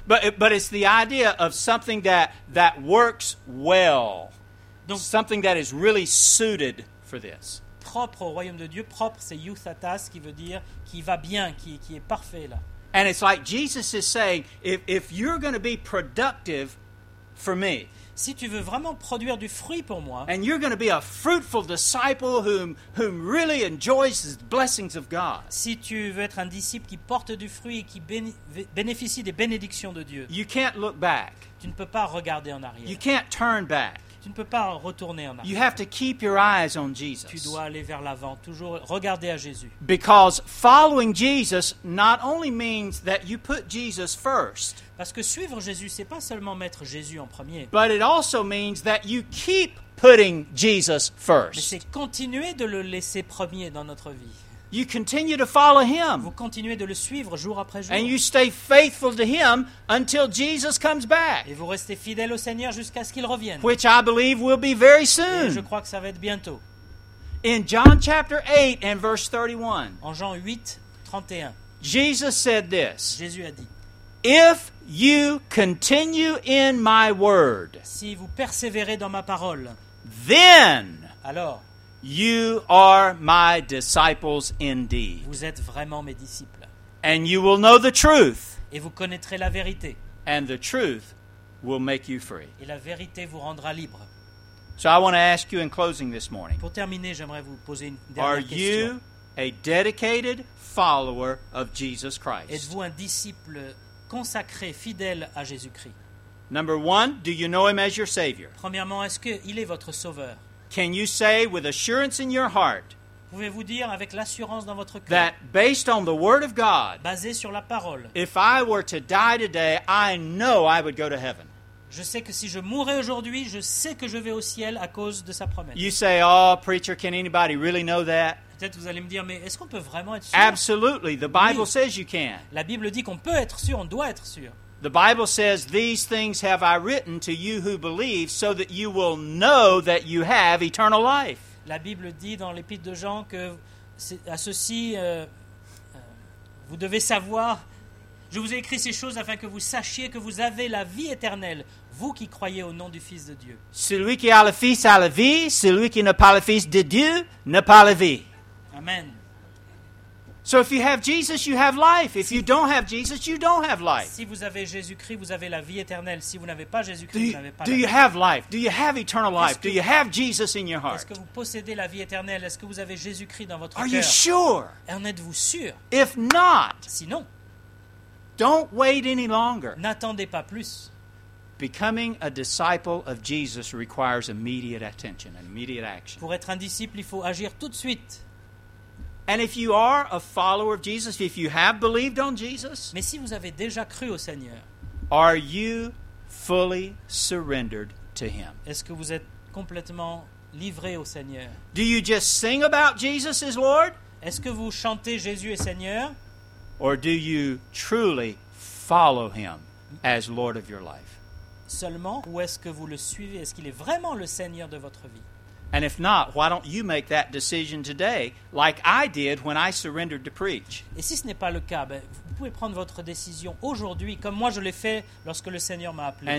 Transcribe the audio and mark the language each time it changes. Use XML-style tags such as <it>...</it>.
<en>But it's the idea of something that works well. Donc, something that is really suited for this.</en> <fr>Propre au royaume de Dieu, propre, c'est euthetos qui veut dire qui va bien, qui est parfait là.</fr> <en>And it's like Jesus is saying, if you're going to be productive for me,</en> <fr>si tu veux vraiment produire du fruit pour moi,</fr> <en>and you're going to be a fruitful disciple whom really enjoys the blessings of God,</en> <fr>si tu veux être un disciple qui porte du fruit et qui bénéficie des bénédictions de Dieu,</fr> <en>you can't look back.</en> <fr>Tu ne peux pas regarder en arrière.</fr> <en>You can't turn back.</en> <fr>Tu ne peux pas retourner en arrière.</fr> <en>You have to keep your eyes on Jesus.</en> <fr>Tu dois aller vers l'avant, toujours regarder à Jésus.</fr> <en>Because following Jesus not only means that you put Jesus first.</en> <fr>Parce que suivre Jésus, c'est pas seulement mettre Jésus en premier.</fr> <en>But it also means that you keep putting Jesus first.</en> <fr>Mais c'est continuer de le laisser premier dans notre vie.</fr> <en>You continue to follow him.</en> <fr>Vous continuez de le suivre jour après jour.</fr> <en>And you stay faithful to him until Jesus comes back.</en> <fr>Et vous restez fidèle au Seigneur jusqu'à ce qu'il revienne.</fr> <en>Which I believe will be very soon.</en> <fr>Et je crois que ça va être bientôt.</fr> <en>In John chapter 8 and verse 31.</en> <fr>En Jean 8, 31.</fr> <en>Jesus said this.</en> <fr>Jésus a dit.</fr> <en>If you continue in my word.</en> <fr>Si vous persévérez dans ma parole.</fr> <en>Then.</en> <fr>Alors.</fr> <en>You are my disciples indeed.</en> <fr>Vous êtes vraiment mes disciples.</fr> <en>And you will know the truth.</en> <fr>Et vous connaîtrez la vérité.</fr> <en>And the truth will make you free.</en> <fr>Et la vérité vous rendra libre.</fr> <en>So I want to ask you in closing this morning.</en> <fr>Pour terminer, j'aimerais vous poser une dernière</fr> <en>are</en> <fr>question.</fr> <en>Are you a dedicated follower of Jesus Christ?</en> <fr>Êtes-vous un disciple consacré, fidèle à Jésus-Christ?</fr> <en>Number one, do you know him as your Savior?</en> <fr>Premièrement, est-ce qu'il est votre Sauveur?</fr> <en>Can you say with assurance in your heart?</en> <fr>Pouvez-vous dire avec l'assurance dans votre cœur?</fr> <en>That based on the word of God.</en> <fr>Basé sur la parole.</fr> <en>If I were to die today, I know I would go to heaven.</en> <fr>Je sais que si je mourais aujourd'hui, je sais que je vais au ciel à cause de sa promesse.</fr> <en>You say, "Oh, preacher, can anybody really know that?"</en> <fr>Peut-être vous allez me dire, mais est-ce qu'on peut vraiment être sûr?</fr> <en>Absolutely. The Bible says you can.</en> <fr>La Bible dit qu'on peut être sûr, on doit être sûr.</fr> <en>The Bible says, "These things have I written to you who believe, so that you will know that you have eternal life."</en> <fr>La Bible dit dans l'épître de Jean que à ceci vous devez savoir. Je vous ai écrit ces choses afin que vous sachiez que vous avez la vie éternelle, vous qui croyez au nom du Fils de Dieu. Celui qui a le Fils a la vie. Celui qui n'a pas le Fils de Dieu n'a pas la vie. Amen.</fr> <en>So if you have Jesus, you have life. If you don't have Jesus, you don't have life.</en> <fr>Si vous avez Jésus-Christ, vous avez la vie éternelle. Si vous n'avez pas Jésus-Christ, vous n'avez pas la vie.</fr> <en>Do you have life? Do you have eternal life? Do you have Jesus in your heart?</en> <fr>Est-ce que vous possédez la vie éternelle? Est-ce que vous avez Jésus-Christ dans votre</fr> <en>cœur? Are you sure?</en> <fr>En êtes-vous sûr?</fr> <en>If not,</en> <fr>sinon,</fr> <en>don't wait any longer.</en> <fr>N'attendez pas plus.</fr> <en>Becoming a disciple of Jesus requires immediate attention and immediate action.</en> <fr>Pour être un disciple, il faut agir tout de suite.</fr> <en>And if you are a follower of Jesus, if you have believed on Jesus,</en> <fr>mais si vous avez déjà cru au Seigneur,</fr> <en>are you fully surrendered to him?</en> <fr>Est-ce que vous êtes complètement livré au Seigneur?</fr> <en>Do you just sing about Jesus as Lord?</en> <fr>Est-ce que vous chantez Jésus est Seigneur?</fr> <en>Or do you truly follow him as Lord of your life?</en> <fr>Seulement, ou est-ce que vous le suivez? Est-ce qu'il est vraiment le Seigneur de votre vie?</fr> <en>And if not, why don't you make that decision today, like I did when I surrendered to preach?</en> <fr>Et si ce n'est pas le cas, ben, vous pouvez prendre votre décision aujourd'hui, comme moi je l'ai fait lorsque le Seigneur m'a appelé.</fr>